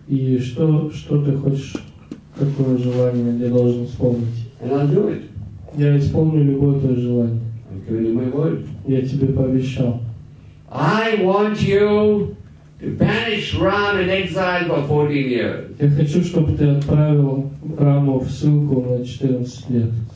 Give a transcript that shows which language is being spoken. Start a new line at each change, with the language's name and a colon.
Russian: И что ты хочешь, какое желание я должен исполнить? Я исполню любое твое желание.
English: I'm giving you my word.
Russian: Я тебе пообещал.
English: I want you to banish Ram in exile for 14 years.
Russian: Я хочу, чтобы ты отправил Раму в ссылку на 14 лет.